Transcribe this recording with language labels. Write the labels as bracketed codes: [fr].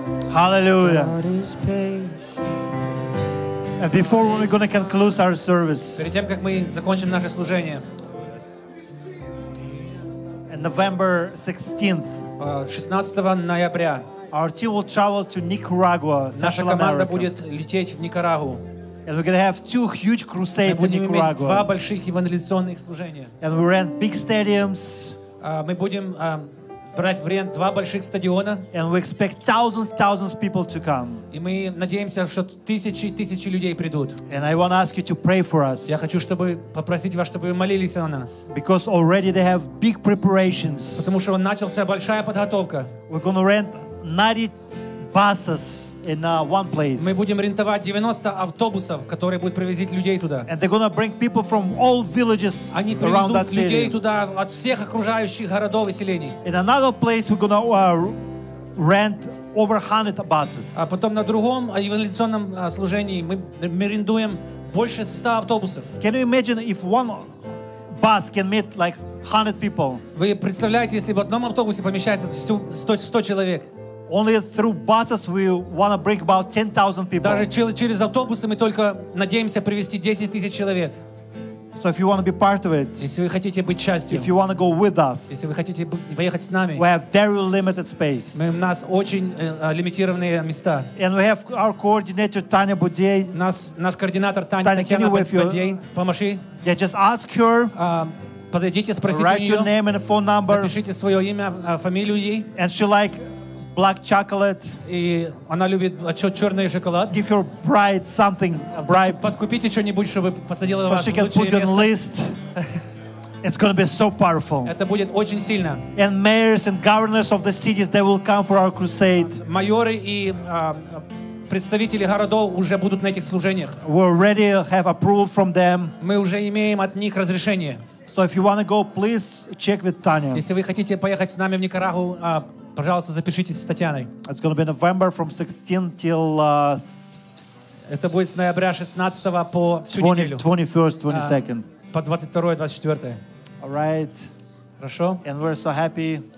[en] Hallelujah. God is patient. And before we're going to conclude our service. [ru] Перед тем как мы закончим наше служение. [en] On November 16th. [ru] 16 ноября. [en] Our team will travel to Nicaragua. [ru] Наша команда будет лететь в Никарагу. [en] And we're going to have two huge crusades in Nicaragua. [ru] Мы будем иметь два больших евангелизационных служения. [en] And we rent big stadiums. [ru] Мы будем брать в аренду два больших стадиона. [en] And we expect thousands, thousands people to come. [ru] И мы надеемся, что тысячи и тысячи людей придут. [en] And I want to ask you to pray for us. [ru] Я хочу, чтобы попросить вас, чтобы вы молились о нас. [en] Because already they have big preparations. [ru] Потому что началась большая подготовка. [en] We're going to rent 90 buses in one place. [ru] Мы будем арендовать 90 автобусов, которые будут привозить людей туда. [en] And they're going to bring people from all villages around that city. [ru] Они привезут людей туда от всех окружающих городов и селений. [en] In another place we're going to rent over 100 buses. [ru] А потом на другом евангелизационном служении мы арендуем больше 100 автобусов. [en] Can you imagine if one bus can meet like 100 people? [ru] Вы представляете, если в одном автобусе помещается 100 человек? [en] Only through buses we want to bring about 10,000 people. [ru] Даже через автобусы мы только надеемся привести 10,000 человек. [en] So if you want to be part of it, [ru] если вы хотите быть частью, [en] if you want to go with us, [ru] если вы хотите поехать с нами, [en] we have very limited space. [ru] У нас очень лимитированные места. [en] And we have our coordinator Tanya Budey. [ru] Наш координатор Таня Будей. Помоги. [en] Yeah, just ask her. [ru] Подойдите, спросите [en] write [ru] ее. [en] Write your name and a phone number. [ru] Запишите свое имя, фамилию ей. [en] And she like black chocolate. [ru] И она любит черный шоколад. [en] Give her bride something, bride. [ru] Подкупите что-нибудь, чтобы посадила вас в лучшее место. [en] So she can put on list. It's going to be so powerful. [ru] Это будет очень сильно. [en] And mayors and governors of the cities, they will come for our crusade. [ru] Майоры и представители городов уже будут на этих служениях. [en] We already have approval from them. [ru] Мы уже имеем от них разрешение. [en] So if you want to go, please check with Tanya. [ru] Если вы хотите поехать с нами в Никарагу, пожалуйста, запишитесь с Татьяной. [en] It's going to be November from 16 till [ru] это будет с ноября 16 по всю неделю. [en] 21st, 22nd. [ru] По 22-е, 24-е. [en] All right. [ru] Хорошо. [en] And we're so happy.